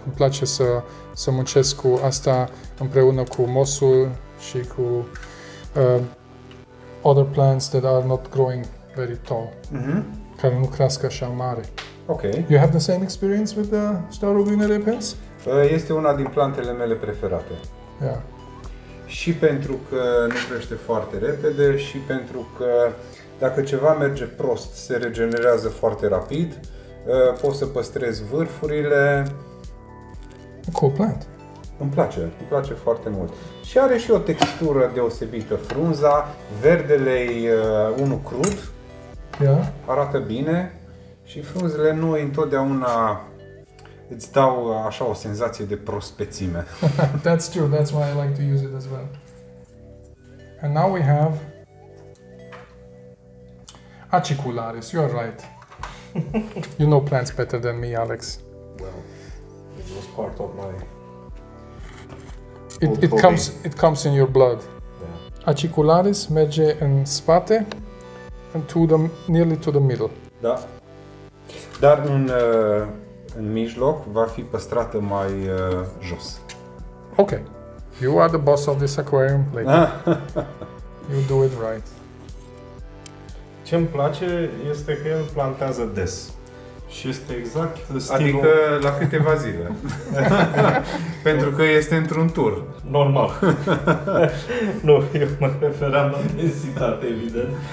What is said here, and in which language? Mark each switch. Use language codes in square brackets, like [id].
[ro] Îmi place să muncesc cu asta împreună cu mossul și cu [en] other plants that are not growing very tall. Mm-hmm. [ro] Care nu crească așa mare. [en] Okay. You have the same experience with the taurogine retensive? [ro] Este una din plantele mele preferate. [en] Yeah. [ro] Și pentru că nu crește foarte repede și pentru că dacă ceva merge prost, se regenerează foarte rapid, poți să păstrezi vârfurile. [en] Cool plant. [ro] Îmi place foarte mult. Și are și o textură deosebită, frunza, verdele-i unul crud, [en] yeah. [ro] Arată bine și frunzele nu întotdeauna îți dau așa o senzație de prospețime. [en] That's true, that's why I like to use it as well. And now we have acicularis, you're right. You know plants better than me, Alex. Well, it was part of my... It comes in your blood. Yeah. Acicularis [ro] merge în spate [en] and nearly to the middle. [ro] Da. Dar în mijloc va fi păstrată mai jos. [en] Ok. You are the boss of this aquarium, lady. You do it right. [ro] Ce îmi place este că el plantează des. Și este exact stilul... Adică la câteva zile. Pentru că este într-un tur. Normal. Nu, eu mă referam la densitate, evident.